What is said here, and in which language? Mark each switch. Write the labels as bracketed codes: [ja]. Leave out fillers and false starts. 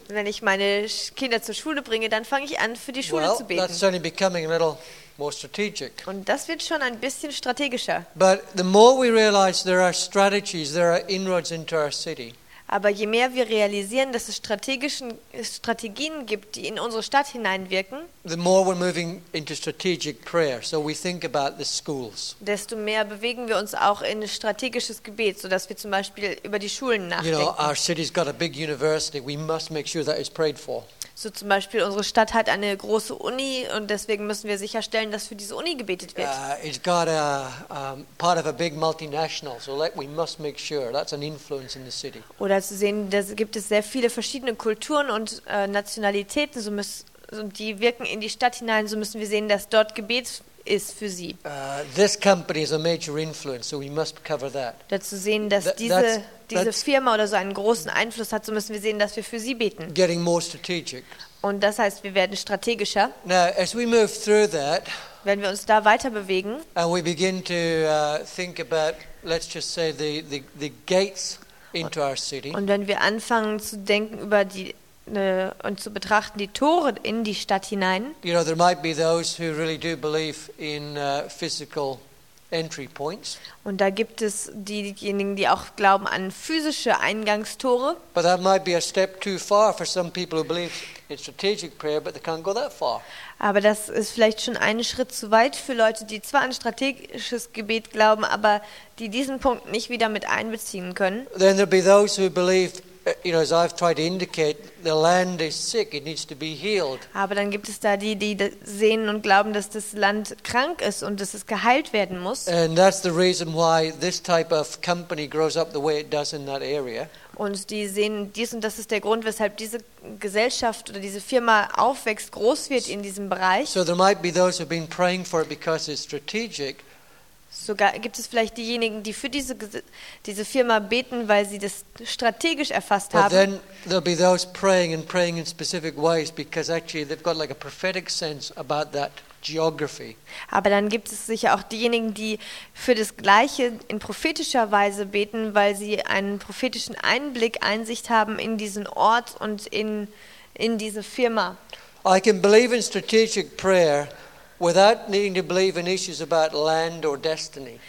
[de] Wenn ich meine Kinder zur Schule bringe, dann fange ich an, für die Schule zu beten. [en] Well, that's certainly becoming a little more strategic. [de] Und das wird schon ein bisschen strategischer. [en] But the more we realize there are strategies, there are inroads into our city. [de] Aber je mehr wir realisieren, dass es Strategien gibt, die in unsere Stadt hineinwirken, [en] the more we're moving into strategic prayer, so we think about the schools. [de] Desto mehr bewegen wir uns auch in strategisches Gebet, so dass wir zum Beispiel über die Schulen nachdenken. [en] You know, our city's got a big university. We must make sure that it's prayed for. [de] So zum Beispiel, unsere Stadt hat eine große Uni und deswegen müssen wir sicherstellen, dass für diese Uni gebetet wird. [en] It's got a part of a big multinational, so like we must make sure that's an influence in the city. [de] Oder zu sehen, da gibt es sehr viele verschiedene Kulturen und Nationalitäten, so und die wirken in die Stadt hinein, so müssen wir sehen, dass dort Gebet ist für sie. [en] This company is a major influence, so we must cover that. [de] Dazu sehen, dass diese Firma oder so einen großen Einfluss hat, so müssen wir sehen, dass wir für sie beten. [en] Getting more strategic. [de] Und das heißt, wir werden strategischer. [en] Now, as we move through that, [de] wenn wir uns da weiter bewegen, [en] and we begin to think about, let's just say the gates into our city. [de] Und wenn wir anfangen zu denken über die und zu betrachten die Tore in die Stadt hinein. [en] You know, there might be those who really do believe in physical entry points. [de] Und da gibt es diejenigen, die auch glauben an physische Eingangstore. [en] But that might be a step too far for some people who believe in strategic prayer, but they can't go that far. [de] Aber das ist vielleicht schon einen Schritt zu weit für Leute, die zwar an strategisches Gebet glauben, aber die diesen Punkt nicht wieder mit einbeziehen können. [en] Then there'll be those who believe, you know, as I've tried to indicate, the land is sick, it needs to be healed. [de] Aber dann gibt es da die sehen und glauben, dass das Land krank ist und dass es geheilt werden muss. [en] And that's the reason why this type of company grows up the way it does in that area. [de] Und die sehen dies und das ist der Grund, weshalb diese Gesellschaft oder diese Firma aufwächst, groß wird in diesem Bereich. [en] So there might be those who've been praying for it because it's strategic. [de] Sogar gibt es vielleicht diejenigen, die für diese Firma beten, weil sie das strategisch erfasst haben. [en] But then there'll be those praying and praying in specific ways because actually they've got like a prophetic sense about that geography. [de] Aber dann gibt es sicher auch diejenigen, die für das Gleiche in prophetischer Weise beten, weil sie einen prophetischen Einblick, Einsicht haben in diesen Ort und in diese Firma. [en] I can believe in strategic prayer without needing to believe in issues about land or destiny.